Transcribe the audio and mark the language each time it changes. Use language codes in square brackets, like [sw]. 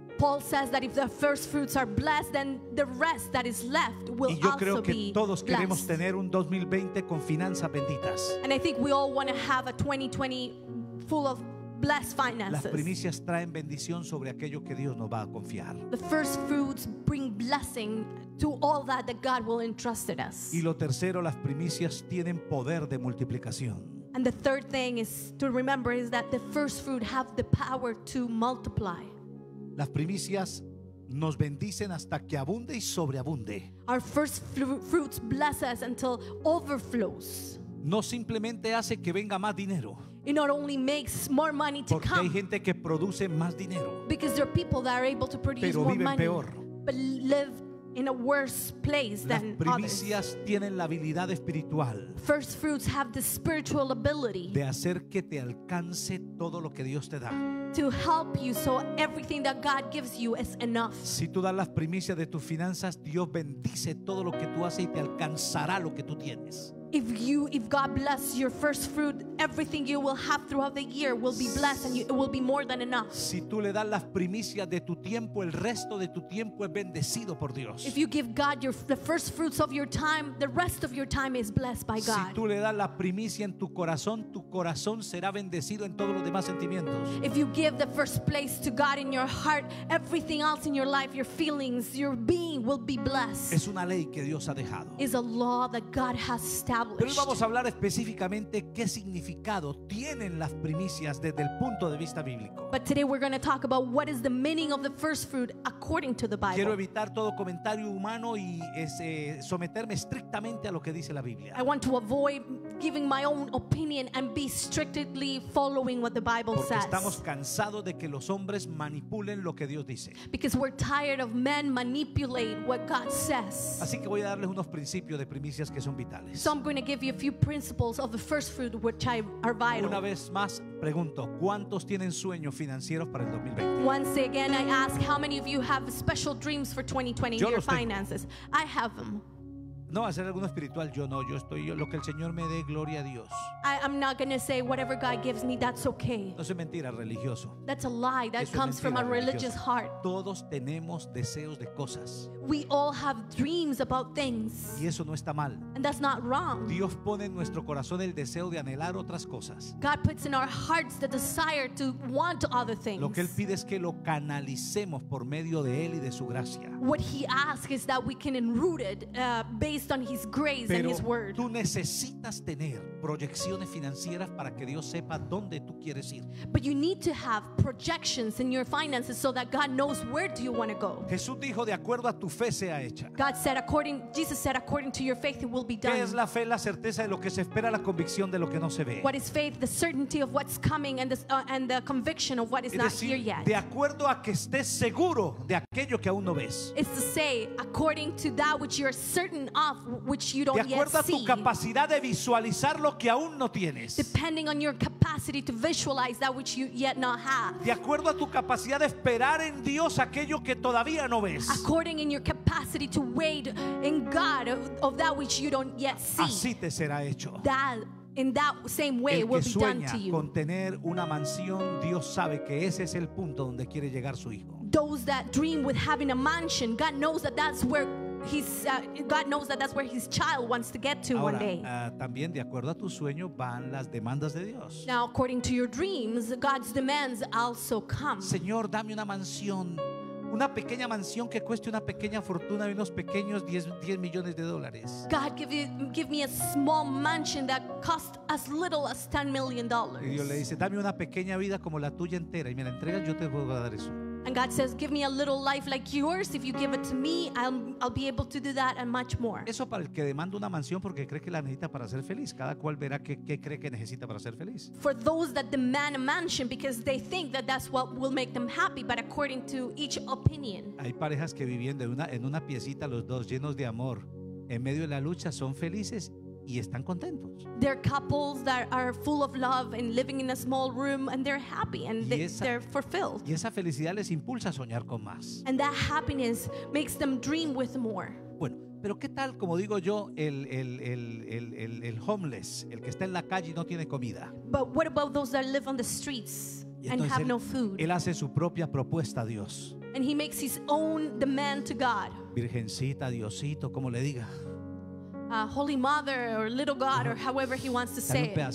[en] Paul says that if the first fruits are blessed, then the rest that is left will also be blessed. [es] Y yo creo que todos queremos tener un 2020 con finanzas benditas. [en] And I think we all want to have a 2020 full of blessed finances. [es] Las primicias traen bendición sobre aquello que Dios nos va a confiar. [en] The first fruits bring blessing to all that God will entrust in us. [es] Y lo tercero, las primicias tienen poder de multiplicación. [en] And the third thing is to remember is that the first fruit have the power to multiply. [es] Las primicias nos bendicen hasta que abunde y sobreabunde. [en] Our first fruits bless us until overflows. [es] No simplemente hace que venga más dinero. [en] It not only makes more money to [es] porque [en] come. [es] Hay gente que produce más dinero, [en] because there are people that are able to produce [es] pero [en] more money [es] peor. [en] But live in a worse place [es] las [en] than [es] primicias [en] others. [es] Tienen la habilidad espiritual. [en] First fruits have the spiritual ability [es] de hacer que te alcance todo lo que Dios te da. [en] To help you so everything that God gives you is enough. [es] Si tú das las primicias de tus finanzas, Dios bendice todo lo que tú haces y te alcanzará lo que tú tienes. [en] If God bless your first fruit, everything you will have throughout the year will be blessed and it will be more than enough. [es] Si tú le das las primicias de tu tiempo, el resto de tu tiempo es bendecido por Dios. [en] If you give God the first fruits of your time, the rest of your time is blessed by God. [es] Si tú le das la primicia en tu corazón será bendecido en todos los demás sentimientos. [en] If you give the first place to God in your heart, everything else in your life, your feelings, your being will be blessed. [es] Es una ley que Dios ha dejado. [en] It's a law that God has established. [es] Pero vamos a hablar específicamente qué significado tienen las primicias desde el punto de vista bíblico. [en] But today we're going to talk about what is the meaning of the first fruit according to the Bible. [es] Quiero evitar todo comentario humano y someterme estrictamente a lo que dice la Biblia. [en] I want to avoid giving my own opinion and be strictly following what the Bible [es] porque [en] says. [es] Estamos cansados de que los hombres manipulen lo que Dios dice. [en] Because we're tired of men manipulate what God says. [es] Así que voy a darles unos principios de primicias que son vitales. [en] So I'm going to give you a few principles of the first fruit which are vital. [es] Una vez más pregunto, ¿cuántos tienen sueños financieros para el 2020? [en] Once again I ask, how many of you have special dreams for 2020 [es] yo [en] in your finances? I have them. [es] No va a ser alguno espiritual, yo no, yo estoy lo que el Señor me dé, gloria a Dios. [en] I'm not going to say whatever God gives me, that's okay. [es] No es mentira, religioso. [en] That's a lie, that [es] eso [en] comes from a religious heart. [es] Todos tenemos deseos de cosas. [en] We all have dreams about things. [es] Y eso no está mal. [en] And that's not wrong. [es] Dios pone en nuestro corazón el deseo de anhelar otras cosas. [en] God puts in our hearts the desire to want other things. [es] Lo que Él pide es que lo canalicemos por medio de Él y de su gracia. [en] What He asks is that we can enroot it based on His grace [es] pero [en] and His word. [es] Tú necesitas tener proyecciones financieras para que Dios sepa dónde tú quieres ir. [en] But you need to have projections in your finances so that God knows where do you want to go. [es] Jesús dijo, de acuerdo a tu fe sea hecha. [en] Jesus said, according to your faith it will be done. [es] ¿Qué es la fe? La certeza de lo que se espera, la convicción de lo que no se ve. [en] What is faith? The certainty of what's coming and the conviction of what is not here yet. [es] De acuerdo a que estés seguro de aquello que aún no ves. [en] It's to say, according to that which you're certain of, which you don't yet see. [es] De acuerdo a tu capacidad de visualizar lo que aún no tienes. [en] Depending on your capacity to visualize that which you yet not have. [es] De acuerdo a tu capacidad de esperar en Dios aquello que todavía no ves. [en] According in your capacity to wait in God of that which you don't yet see. [es] Así te será hecho. [en] That in that same way [es] el que [en] will [es] sueña [en] be done to you. [es] Con tener una mansión, Dios sabe que ese es el punto donde quiere llegar su hijo. [en] Those that dream with having a mansion, God knows that that's where His God knows that that's where his child wants to get to. [es] Ahora, [en] one day. [es] También de acuerdo a tu sueño van las demandas de Dios. [en] Now, according to your dreams, God's demands also come. [es] Señor, dame una mansión, una pequeña mansión que cueste una pequeña fortuna y unos pequeños 10 millones de dólares. [en] God, give me a small mansion that costs as little as $10 million. [es] Y Dios le dice, dame una pequeña vida como la tuya entera y me la entregas, yo te puedo dar eso. [en] And God says, give me a little life like yours. If you give it to me, I'll be able to do that and much more. [es] Eso para el que demanda una mansión porque cree que la necesita para ser feliz. Cada cual verá qué cree que necesita para ser feliz. [en] For those that demand a mansion because they think that that's what will make them happy, but according to each opinion. [es] Hay parejas que viviendo en una piecita los dos llenos de amor, en medio de la lucha son felices y están contentos. [en] There are couples that are full of love and living in a small room and they're happy and they're fulfilled. [es] Y esa felicidad les impulsa a soñar con más. [en] And that happiness makes them dream with more. [es] Bueno, pero qué tal, como digo yo, el homeless, el que está en la calle y no tiene comida. [en] But what about those that live on the streets and have no food? [es] Él hace su propia propuesta a Dios. [en] And he makes his own demand to God. [es] Virgencita, Diosito, como le diga. [en] Holy Mother or Little God or however he wants to say it.